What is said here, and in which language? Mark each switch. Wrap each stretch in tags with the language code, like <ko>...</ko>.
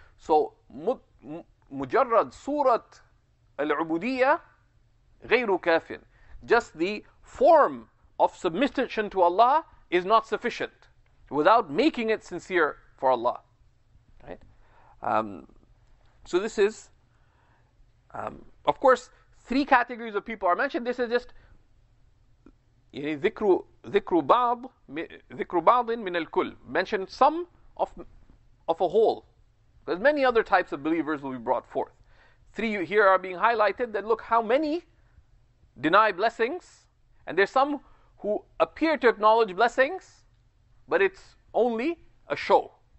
<en>So,</en> <ar>مُجَرَّد Surah Al-Ubudiyyah غَيْرُ كَافٍ.</ar> <en>Just the form of submission to Allah is not sufficient without making it sincere for Allah. Right? So this is, of course, three categories of people are mentioned. This is just</en> <ar>ذِكْرُ بَعْضٍ مِنَ الْكُلِّ.</ar> <en>Mentioned some of a whole. Because many other types of believers will be brought forth. Three here are being highlighted. That look how many deny blessings. And there's some who appear to acknowledge blessings, but it's only a show.</en>